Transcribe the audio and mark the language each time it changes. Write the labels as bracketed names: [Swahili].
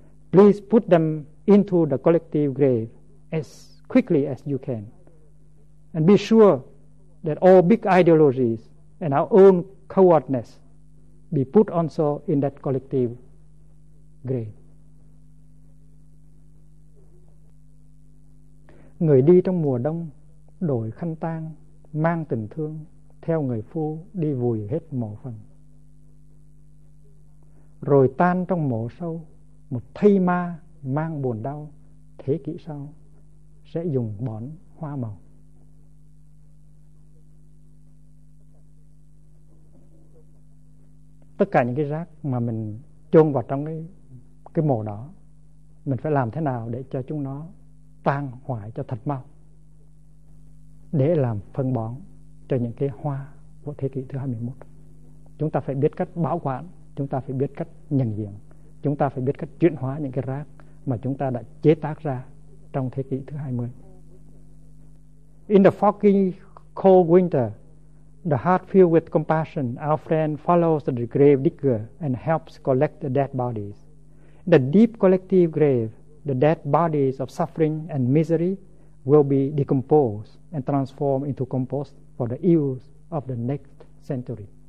[English] Please put them into the collective grave as quickly as you can. And be sure that all big ideologies and our own cowardness be put also in that collective grave. [Vietnamese] Người đi trong mùa đông, đội khăn tang, mang tình thương, theo người phu đi vùi hết mộ phần, rồi tan trong mộ sâu, một thây ma mang buồn đau, thế kỷ sau sẽ dùng bón hoa màu. Tất cả những cái rác mà mình chôn vào trong cái mộ đó, mình phải làm thế nào để cho chúng nó tan hoại cho thật mau, để làm phân bón cho những cái hoa của thế kỷ thứ 21. Chúng ta phải biết cách bảo quản, chúng ta phải biết cách nhận diện, chúng ta phải biết cách chuyển hóa những cái rác mà chúng ta đã chế tác ra trong thế kỷ thứ 20. [English] In the foggy cold winter, the heart filled with compassion, our friend follows the grave digger and helps collect the dead bodies. In the deep collective grave, the dead bodies of suffering and misery will be decomposed and transformed into compost for the ills of the next century.